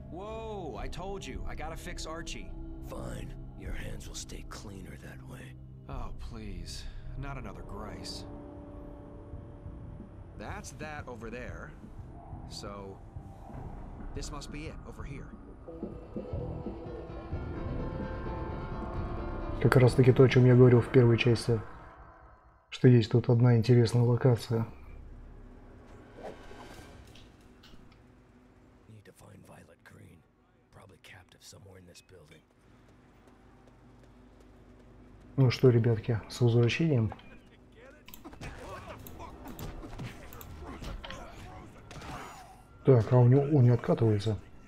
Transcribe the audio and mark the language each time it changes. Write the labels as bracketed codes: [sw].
[en] Whoa, I told you. I gotta fix Archie. Fine. Your hands will stay cleaner that way. Oh, please. Not another Grice. That's that over there. So, this must be it over here. [ru] Как раз таки то, о чем я говорил в первой части, что есть тут одна интересная локация. [en] Need to find Violet Green. Probably captive somewhere in this building. [ru] Ну что, ребятки, с возвращением. Так, а он не откатывается.